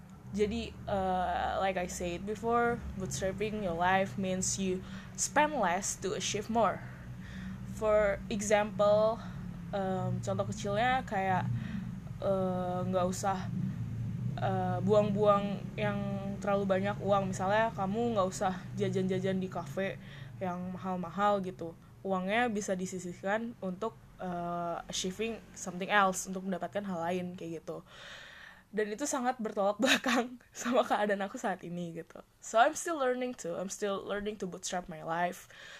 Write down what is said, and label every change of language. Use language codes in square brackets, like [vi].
[en] Jadi, like I said before, bootstrapping your life means you spend less to achieve more. For example, [id] contoh kecilnya kayak nggak usah buang-buang yang terlalu banyak uang. Misalnya kamu nggak usah jajan-jajan di kafe yang mahal-mahal gitu. Uangnya bisa disisihkan untuk [en] achieving something else, [id] untuk mendapatkan hal lain kayak gitu. Dan itu sangat bertolak belakang sama keadaan aku saat ini gitu. [en] So I'm still learning to bootstrap my life.